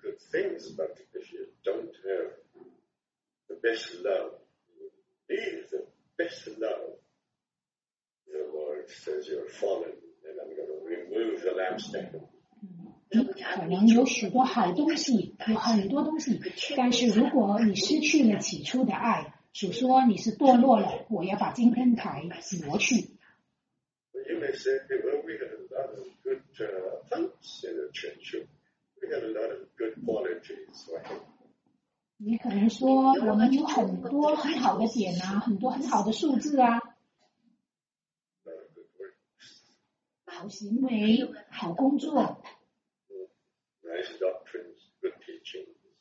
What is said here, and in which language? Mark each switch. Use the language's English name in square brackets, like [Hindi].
[English] things, but if you don't have the best love, you need the best love. The Lord says you're fallen, and I'm going to remove the lampstand. [Chinese] 你可能有许多好东西，有很多东西，但是如果你失去了起初的爱，主说你是堕落了，我要把金灯台挪去。 [English] You may say, well, we have a lot of good things in the church. We have a lot of good qualities, right? [Chinese] 你可能说我们有很多很好的点啊，很多很好的数字啊。好行为，好工作。 [English] Nice doctrines, good teachings.